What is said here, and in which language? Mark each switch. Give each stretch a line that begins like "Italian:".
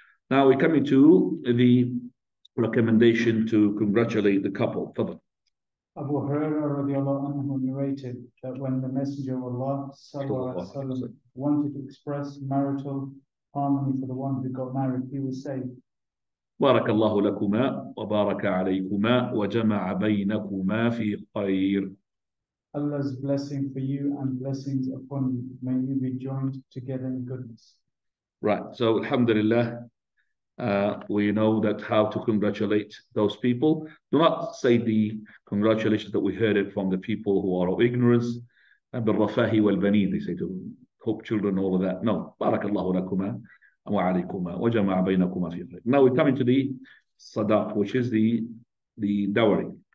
English: Now we're coming to the recommendation to congratulate the couple. Fadal. Abu Huraira radiallahu anhu narrated that when the Messenger of Allah sallallahu alaihi wasallam wanted to express marital harmony for the one who got married, he would say,
Arabic: بارك الله لكما وبارك عليكما وجمع بينكما في خير.
English: Allah's blessing for you and blessings upon you. May you be joined together in goodness. Right. So, alhamdulillah, we know that how to congratulate those people. Do not say the congratulations that we heard it from the people who are of ignorance.
Arabic: بالرفاهي والبنين.
English: They say to hope children, all of that. No.
Arabic: بارك الله لكما وعليكما وجمع بينكما في خير.
English: Now we come into the sadaq, which is the dowry.